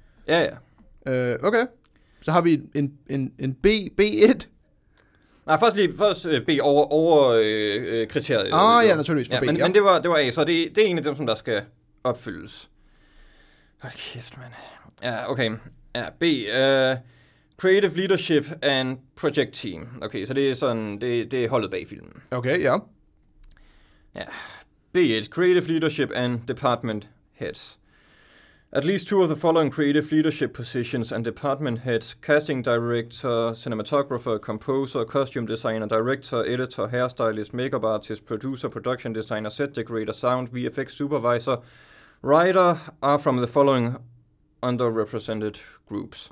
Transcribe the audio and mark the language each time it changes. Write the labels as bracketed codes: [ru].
[da] Ja. Okay. Så har vi en B1. Nej, først lige først B over kriteriet. Ah ja, naturligvis for B. Ja, men det var A, så det er en af dem, som der skal opfyldes. Hold kæft, mand. Ja, okay. Ja, B. [en] Creative leadership and project team. [da] Okay, så det er sådan, det er holdet bag filmen. Okay, ja. Ja. B. [en] Creative leadership and department heads. At least two of the following creative leadership positions and department heads, casting director, cinematographer, composer, costume designer, director, editor, hairstylist, makeup artist, producer, production designer, set decorator, sound, VFX supervisor, writer, are from the following underrepresented groups.